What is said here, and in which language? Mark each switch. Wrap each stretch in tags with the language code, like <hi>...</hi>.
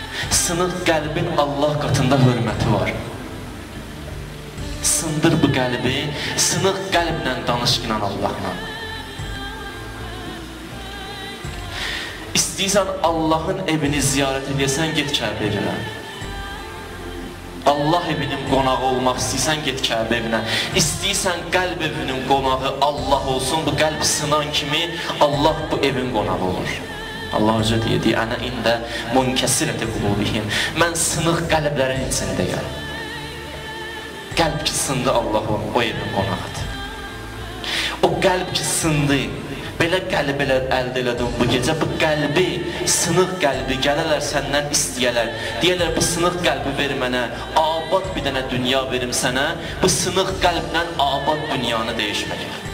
<tr>Sınır kalbin Allah katında hürmeti var. Sındır bu kalbi, sınır kalbinle danış inan Allah'la. İstiyorsan Allah'ın evini ziyaret edersen git Kabe'ye.</tr> <az>Allah evinin qonağı olmaq istəyirsən, get Kəbə evinə. İstəyirsən qəlb evinin qonağı Allah olsun, bu qəlb sınan kimi Allah bu evin qonağı olur. Allah özü deyir,</az> <ar>ana ində münkəsir edə qulubihim.</ar> <az>Mən sınıq qəlblərin içində gəl. Qəlb ki sındı Allah olun, o evin qonağıdır. O qəlb ki sındı, belə qəlb əldə elədim bu gecə, bu qəlbi, sınıq qəlbi gələlər səndən istəyələr. Deyələr, bu sınıq qəlbi ver mənə, abad bir dənə dünya verim sənə, bu sınıq qəlbdən abad dünyanı dəyişmək.</az>